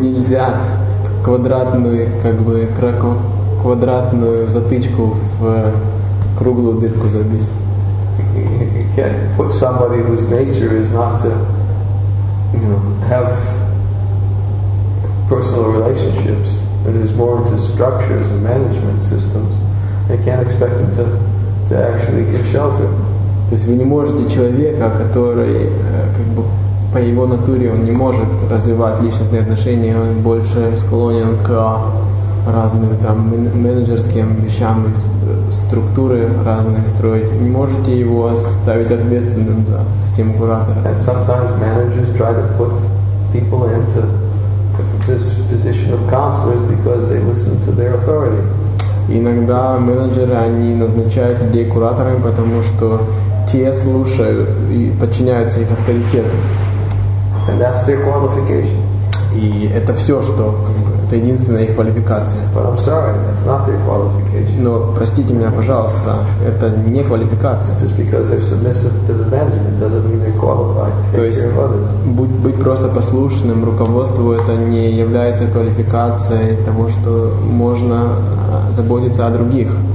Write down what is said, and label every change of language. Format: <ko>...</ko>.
<ru>Нельзя квадратную затычку в круглую дырку забить.</ru> <en>Can't put somebody whose nature is not to, have personal relationships and is more into structures and management systems. They can't expect them to actually give shelter.</en> <ru>То есть вы не можете человека, который как бы по его натуре он не может развивать личностные отношения, он больше склонен к разным там менеджерским вещам. Структуры разные строить. Не можете его ставить ответственным за систему куратора.</ru> <en>And sometimes managers try to put people into this position of counselors because they listen to their authority.</en> <ru>Иногда менеджеры, они назначают людей кураторами, потому что те слушают и подчиняются их авторитету.</ru> <en>And that's their qualification.</en> <ru>И это все, что это единственная их квалификация.</ru> <en>But I'm sorry, that's not their qualification.</en> <ru>Но простите меня, пожалуйста, это не квалификация.</ru> <en>Just because they're submissive to the management doesn't mean they're qualified to take care of others.</en> <ru>Быть просто послушным руководству это не является квалификацией того, что можно заботиться о других.</ru>